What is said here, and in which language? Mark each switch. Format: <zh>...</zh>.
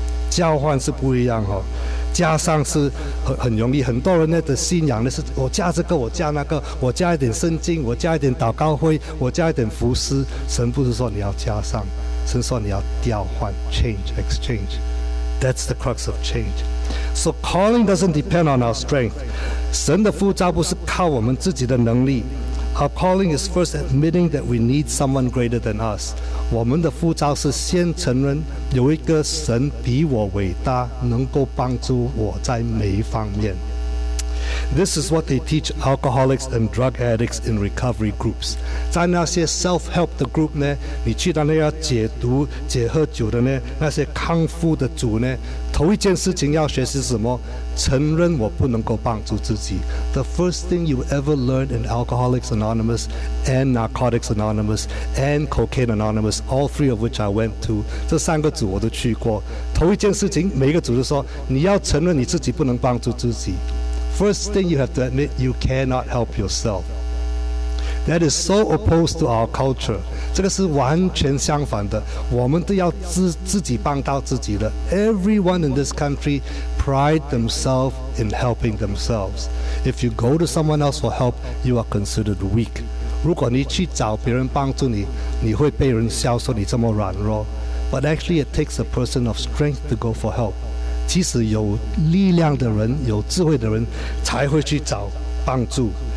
<zh>交换是不一样哦，加上是很容易，很多人的信仰呢是我加这个，我加那个，我加一点圣经，我加一点祷告会，我加一点服事。神不是说你要加上，神说你要调换 ，</zh> <en>change exchange。 That's the crux of change. So calling doesn't depend on our strength.</en> <zh>神的呼召不是靠我们自己的能力。</zh> <en>Our calling is first admitting that we need someone greater than us.</en> <zh>我们的呼召是先承认有一个神比我伟大，能够帮助我在每一方面。</zh> <en>This is what they teach alcoholics and drug addicts in recovery groups.</en> <zh>在那些 self-help 的 group 呢，你去到那要解毒、解喝酒的呢，那些康复的组呢，头一件事情要学习是什么？承认我不能够帮助自己。</zh> <en>The first thing you ever learn in Alcoholics Anonymous and Narcotics Anonymous and Cocaine Anonymous, all three of which I went to,</en> <zh>这三个组我都去过。头一件事情，每一个组都说，你要承认你自己不能帮助自己。</zh> <en>First thing you have to admit, you cannot help yourself. That is so opposed to our culture.</en> <zh>这个是完全相反的。我们都要自己帮到自己的。</zh> <en>Everyone in this country pride themselves in helping themselves. If you go to someone else for help, you are considered weak.</en> <zh>如果你去找别人帮助你，你会被人笑说你这么软弱。</zh> <en>But actually, it takes a person of strength to go for help.</en> <zh>即使有力量的人，有智慧的人，才会去找帮助。</zh>